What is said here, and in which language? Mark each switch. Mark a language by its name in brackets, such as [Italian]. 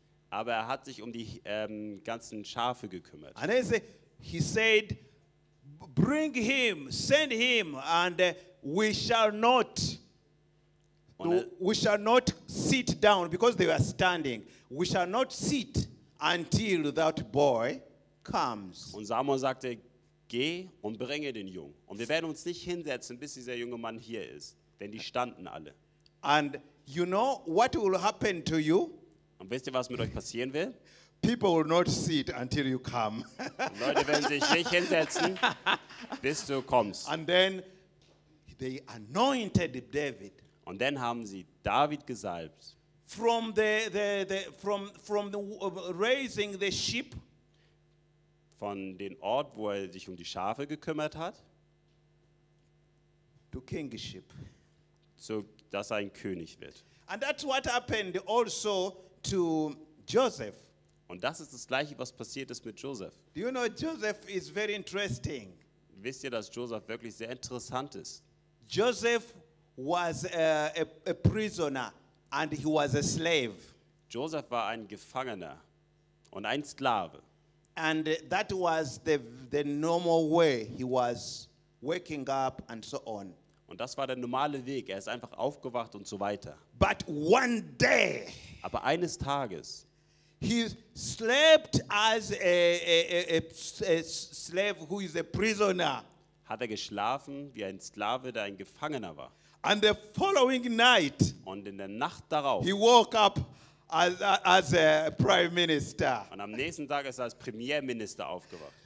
[German] Aber er hat sich um die ganzen Schafe gekümmert. [English] And he said, bring him, send him, and we shall not sit down, because they were standing. We shall not sit until that boy comes. [German] Und Samuel sagte, geh und bringe den Jungen. Und wir werden uns nicht hinsetzen, bis dieser junge Mann hier ist. Denn die standen alle. [English] And you know what will happen to you? [German] Und wisst ihr, was mit euch passieren will? [English] People will not sit until you come. [German] Leute werden sich nicht hinsetzen, bis du kommst. [English] And then they anointed David. [German] Und dann haben sie David gesalbt. [English] From the raising the sheep. [German] Von dem Ort, wo er sich um die Schafe gekümmert hat. [English] To kingship. [German] So, dass er ein König wird. [English] And that's what happened also to Joseph. [German] Und das ist das Gleiche, was passiert ist mit Joseph. [English] Do you know Joseph is very interesting? [German] Wisst ihr, dass Joseph wirklich sehr interessant ist? [English] Joseph was a prisoner and he was a slave. [German] Joseph war ein Gefangener und ein Sklave. [English] And that was the normal way he was waking up and so on. [German] Und das war der normale Weg. Er ist einfach aufgewacht und so weiter. [English] But one day. [German] Aber eines Tages. [English] He slept as a slave who is a prisoner. [German] Hat er geschlafen wie ein Sklave, der ein Gefangener war. [English] And the following night. [German] Und in der Nacht darauf. [English] He woke up as a prime minister. [German] Und am nächsten Tag ist er als Premierminister aufgewacht.